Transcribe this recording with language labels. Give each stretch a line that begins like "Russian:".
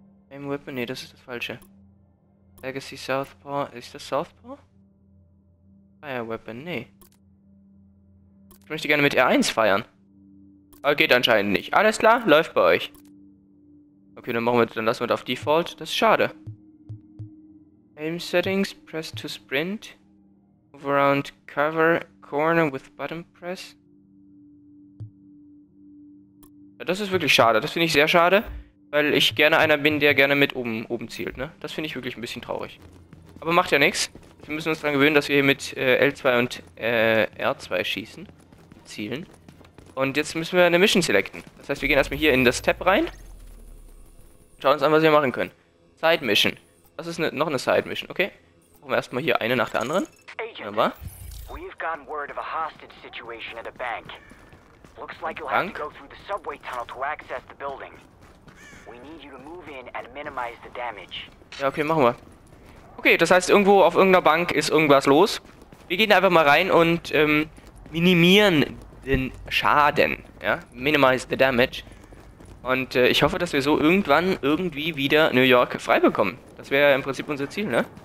German: Aim Weapon, nee, das ist das Falsche. Legacy Southpaw. Ist das Southpaw? Fire Weapon, nee. Ich möchte gerne mit R1 feiern. Aber geht anscheinend nicht. Alles klar, läuft bei euch. Okay, dann machen wir, dann lassen wir das auf Default. Das ist schade. Aim Settings,
English: press to sprint. Move around cover corner with button press.
German: Ja, das ist wirklich schade. Das finde ich sehr schade. Weil ich gerne einer bin, der gerne mit oben zielt, ne? Das finde ich wirklich ein bisschen traurig. Aber macht ja nichts. Wir müssen uns daran gewöhnen, dass wir hier mit L2 und R2 schießen. Zielen. Und jetzt müssen wir eine Mission selecten. Das heißt, wir gehen erstmal hier in das Tab rein. Schauen uns an, was wir machen können. Side Mission. Das ist noch eine Side Mission, okay. Machen wir erstmal hier eine nach der anderen. Wunderbar.
English: We've gotten word of a hostage situation at a bank. Looks like you'll have to go through the subway tunnel to access the building. We need you to move in and minimize the damage.
German: Ja, okay, machen wir. Okay, das heißt, irgendwo auf irgendeiner Bank ist irgendwas los. Wir gehen einfach mal rein und minimieren den Schaden. Ja,
English: minimize the damage.
German: Und ich hoffe, dass wir so irgendwann irgendwie wieder New York frei bekommen. Das wäre ja im Prinzip unser Ziel, ne?